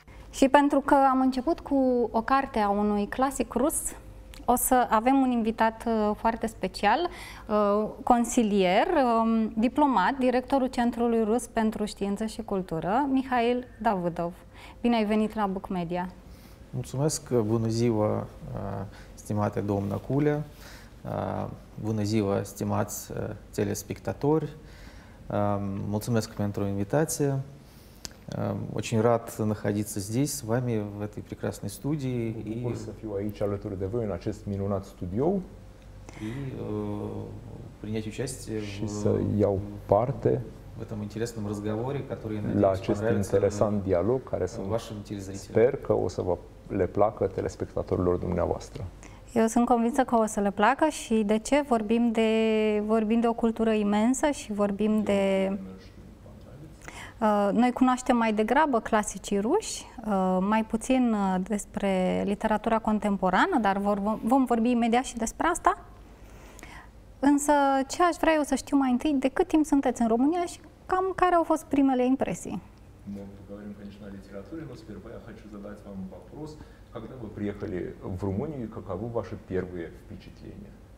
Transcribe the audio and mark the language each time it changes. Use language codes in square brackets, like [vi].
[ro] Și pentru că am început cu o carte a unui clasic rus, o să avem un invitat foarte special, consilier, diplomat, directorul Centrului Rus pentru Știință și Cultură, Mihail Davudov. Bine ai venit la Book Media. Mulțumesc, bună ziua, stimate doamnă Culea, bună ziua, stimați telespectatori, mulțumesc pentru invitație. [ru] Очень рад находиться здесь, с вами, в этой прекрасной студии. [ro] Bucur să fiu aici alături de voi, în acest minunat studio. [ru] И принять участие в этом интересном разговоре, который, надеюсь, [ro] la acest interesant dialog, care sper că o să vă le placă telespectatorilor dumneavoastră. Eu sunt convinsă că o să le placă și de ce? Vorbim de o cultură imensă și vorbim de... Noi cunoaștem mai degrabă clasicii ruși, mai puțin despre literatura contemporană, dar vom vorbi imediat și despre asta. Însă, ce aș vrea eu să știu mai întâi, de cât timp sunteți în România și cam care au fost primele impresii? [ru] Мы поговорим, конечно, о литературе, но сперва я хочу задать вам вопрос, когда вы приехали в Румынию и каковы ваши первые впечатления?